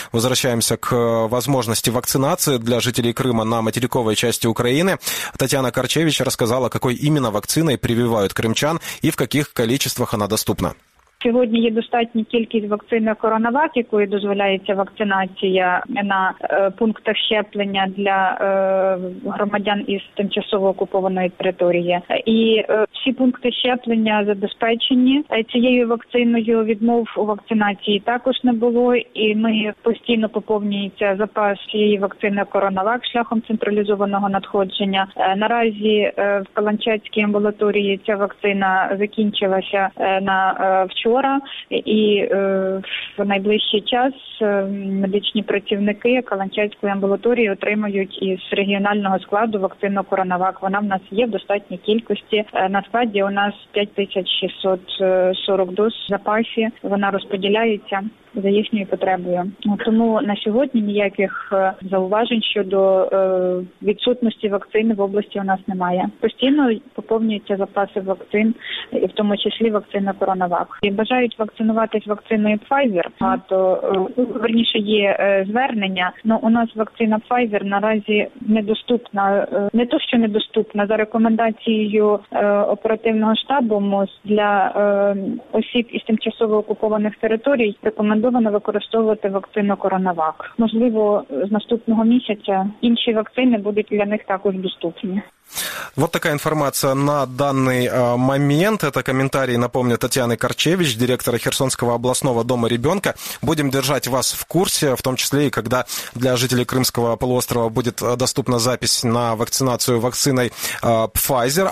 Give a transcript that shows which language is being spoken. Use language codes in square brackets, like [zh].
[ru] Возвращаемся к возможности вакцинации для жителей Крыма на материковой части Украины. Татьяна Корчевич рассказала, какой именно вакциной прививают крымчан и в каких количествах она доступна. [uk] Сьогодні є достатня кількість вакцини CoronaVac, якою дозволяється вакцинація на пунктах щеплення для громадян із тимчасово окупованої території. І всі пункти щеплення забезпечені цією вакциною. Відмов у вакцинації також не було. І ми постійно поповнюється запас цієї вакцини CoronaVac шляхом централізованого надходження. Наразі в Каланчацькій амбулаторії ця вакцина закінчилася на вчора. І в найближчий час медичні працівники Каланчацької амбулаторії отримають із регіонального складу вакцину CoronaVac. Вона в нас є в достатній кількості. На складі у нас 5640 доз в запасі. Вона розподіляється за їхньою потребою. Тому на сьогодні ніяких зауважень щодо відсутності вакцини в області у нас немає. Постійно поповнюються запаси вакцин, і в тому числі вакцина CoronaVac. І бажають вакцинуватись вакциною Pfizer, а то, верніше, є звернення, але у нас вакцина Pfizer наразі недоступна. Не то, що недоступна, за рекомендацією оперативного штабу МОЗ для осіб із тимчасово окупованих територій, рекомендовано використовувати вакцину CoronaVac. Можливо, з наступного місяця інші вакцини будуть для них також доступні. [ru] Вот такая информация на данный момент. Это комментарий, напомню, Татьяны Корчевич, директора Херсонского областного дома ребенка. Будем держать вас в курсе, в том числе и когда для жителей Крымского полуострова будет доступна запись на вакцинацию вакциной Pfizer.